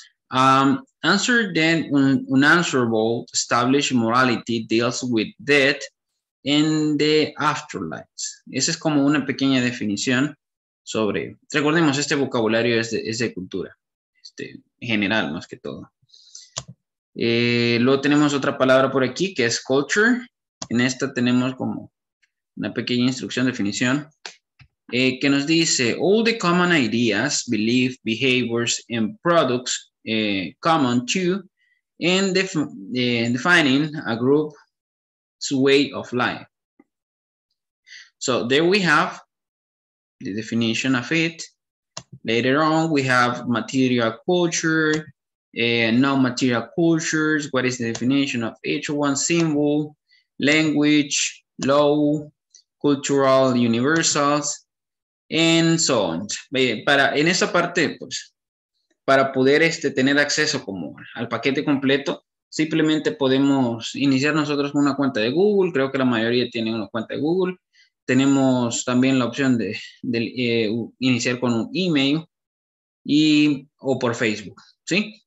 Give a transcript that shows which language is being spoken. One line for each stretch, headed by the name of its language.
English: Answer then un unanswerable established morality deals with death and the afterlife.
Spanish: Esa es como una pequeña definición sobre, recordemos, este vocabulario es de cultura, este, general más que todo. Luego tenemos otra palabra por aquí que es culture. En esta tenemos como una pequeña instrucción, definición. Que nos dice,
English: all the common ideas, beliefs, behaviors, and products common to and defining a group's way of life. So there we have the definition of it. Later on, we have material culture, non-material cultures, what is the definition of each one, symbol, language, law, cultural universals, and so on.
Spanish: Para, en esa parte, pues, para poder este, tener acceso como al paquete completo, simplemente podemos iniciar nosotros con una cuenta de Google. Creo que la mayoría tiene una cuenta de Google. Tenemos también la opción de iniciar con un email y, o por Facebook, ¿sí?